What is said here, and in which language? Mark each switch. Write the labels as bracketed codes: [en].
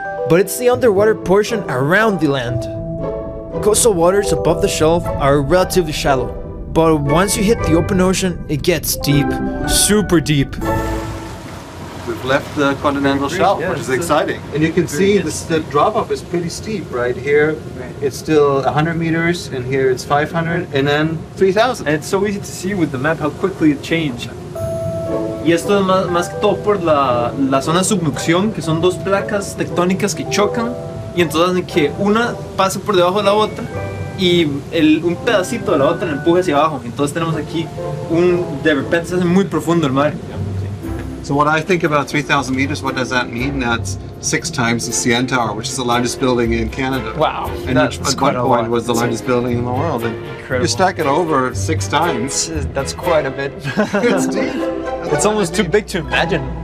[en] But it's the underwater portion around the land. Coastal waters above the shelf are relatively shallow, but once you hit the open ocean, it gets deep, super deep. We've left the continental shelf, which is exciting. And you can see the drop-off is pretty steep right here. It's still 100 meters, and here it's 500, and then 3,000. And it's so easy to see with the map how quickly it changed. [es] Y esto es más que todo por la zona de subducción, que son dos placas tectónicas que chocan. y entonces que una pase por debajo de la otra y un pedacito de la otra la empuje hacia abajo. Entonces tenemos aquí de repente se hace muy profundo el mar. [en] So what I think about 3,000 meters, what does that mean? That's six times the CN Tower, which is the largest building in Canada. Wow, and that's quite a lot. At one point was the largest building in the world. And incredible. You stack it over six times. That's quite a bit. It's deep. It's almost too big to imagine.